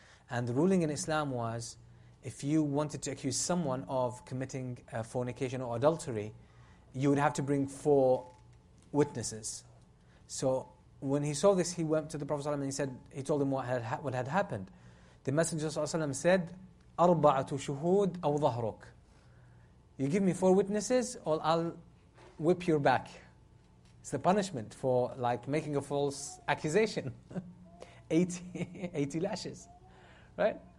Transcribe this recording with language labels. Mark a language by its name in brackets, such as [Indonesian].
[English] And the ruling in Islam was, if you wanted to accuse someone of committing fornication or adultery, you would have to bring four witnesses. So when he saw this, he went to the Prophet ﷺ and he told him what had happened. The Messenger ﷺ said, [Arabic] أَرْبَعَةُ شُهُودْ أَوْ ظَهْرُكْ. [English] You give me four witnesses or I'll whip your back. It's the punishment for like making a false accusation. 80 lashes, right?